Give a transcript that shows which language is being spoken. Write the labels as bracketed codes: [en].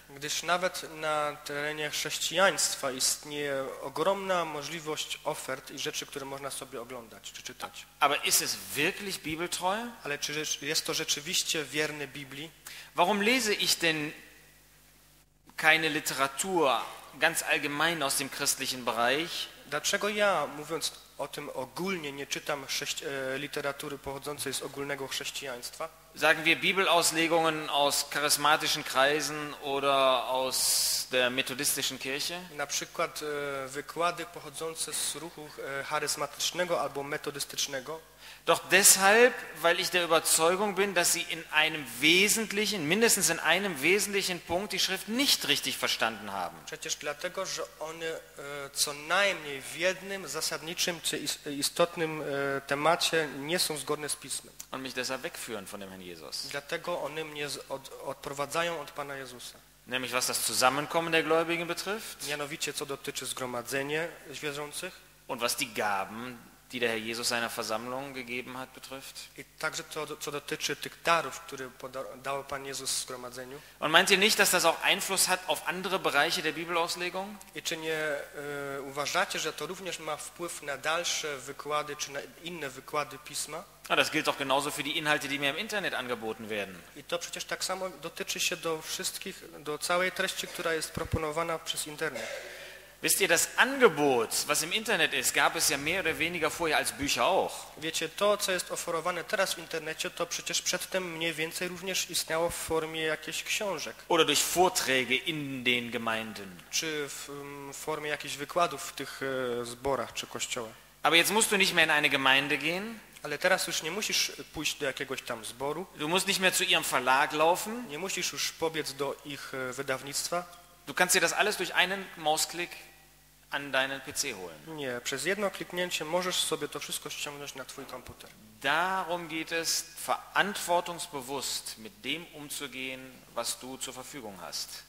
[pl] Gdyż nawet na terenie chrześcijaństwa istnieje ogromna możliwość ofert i rzeczy, które można sobie oglądać czy czytać. [de] Aber ist es wirklich bibeltreu? [pl] Ale czy jest to rzeczywiście wierne Biblii? [de] Warum lese ich denn keine Literatur ganz allgemein aus dem christlichen Bereich? [pl] Dlaczego ja, mówiąc o tym ogólnie, nie czytam literatury pochodzącej z ogólnego chrześcijaństwa? [de] sagen wir, Bibelauslegungen aus charismatischen Kreisen oder aus der methodistischen Kirche. [pl] Na przykład wykłady pochodzące z ruchu charyzmatycznego albo metodystycznego. [de] Doch deshalb, weil ich der Überzeugung bin, dass sie in einem wesentlichen, mindestens in einem wesentlichen Punkt die Schrift nicht richtig verstanden haben. [pl] Przecież dlatego, że one co najmniej w jednym zasadniczym czy istotnym temacie nie są zgodne z Pismem. [de] Und mich deshalb wegführen von dem Herrn Jesus. [pl] Dlatego one mnie odprowadzają od Pana Jezusa. [de] Nämlich was das Zusammenkommen der Gläubigen betrifft. [pl] Mianowicie co dotyczy zgromadzenia wierzących. [de] Und was die Gaben, die der Herr Jesus seiner Versammlung gegeben hat, betrifft. [pl] I także to, co dotyczy tych darów, które dał Pan Jezus w zgromadzeniu. [de] Und meint ihr nicht, dass das auch Einfluss hat auf andere Bereiche der Bibelauslegung? [pl] I czy nie uważacie, że to również ma wpływ na dalsze wykłady, czy na inne wykłady Pisma? [de] Ja, das gilt doch genauso für die Inhalte, die mir im Internet angeboten werden. [pl] I to przecież tak samo dotyczy się do wszystkich, do całej treści, która jest proponowana przez Internet. [de] Wisst ihr, das Angebot, was im Internet ist, gab es ja mehr oder weniger vorher als Bücher auch. [pl] Wiecie, to, co jest oferowane teraz w internecie, to przecież przedtem mniej więcej również istniało w formie jakichś książek. [de] Oder durch Vorträge in den Gemeinden. [pl] Czy w formie jakichś wykładów w tych zborach czy kościołach. [de] Aber jetzt musst du nicht mehr in eine Gemeinde gehen. [pl] Ale teraz już nie musisz pójść do jakiegoś tam zboru. [de] Du musst nicht mehr zu ihrem Verlag laufen. [pl] Nie musisz już pobiec do ich wydawnictwa. [de] Du kannst dir das alles durch einen Mausklick an deinen PC holen. [pl] Nie, przez jedno kliknięcie możesz sobie to wszystko ściągnąć na twój komputer. [de] Darum geht es, verantwortungsbewusst mit dem umzugehen, was du zur Verfügung hast.